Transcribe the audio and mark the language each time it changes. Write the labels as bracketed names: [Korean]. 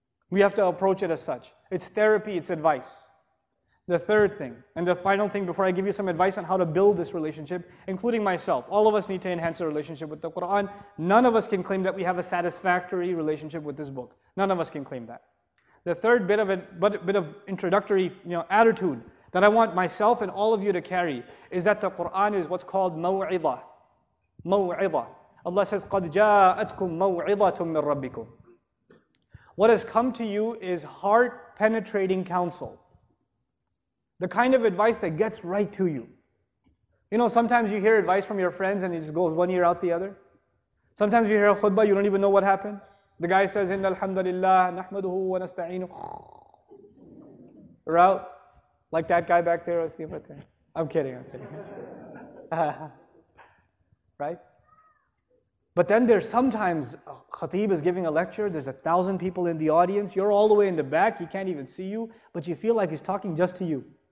[English] We have to approach it as such. It's therapy, it's advice. The third thing, and the final thing before I give you some advice on how to build this relationship, including myself, all of us need to enhance a relationship with the Quran. None of us can claim that we have a satisfactory relationship with this book. None of us can claim that. The third bit of it, but bit of introductory, you know, attitude that I want myself and all of you to carry is that the Quran is what's called maw'idha. Maw'idha. Allah says, [Arabic] قَدْ جَاءَتْكُمْ مَوْعِظَةٌ مِّن رَبِّكُمْ. [English] What has come to you is heart-penetrating counsel. The kind of advice that gets right to you. You know, sometimes you hear advice from your friends and it just goes one ear out the other. Sometimes you hear a khutbah, you don't even know what happened. The guy says, [Arabic] إِنَّ الْحَمْدَ لِلَّهِ نَحْمَدُهُ وَنَسْتَعِينُهُ. [English] Route. Like that guy back there, I'll see him right there. I'm kidding. Right? But then there's sometimes a khatib is giving a lecture, there's 1,000 people in the audience, you're all the way in the back, he can't even see you, but you feel like he's talking just to you.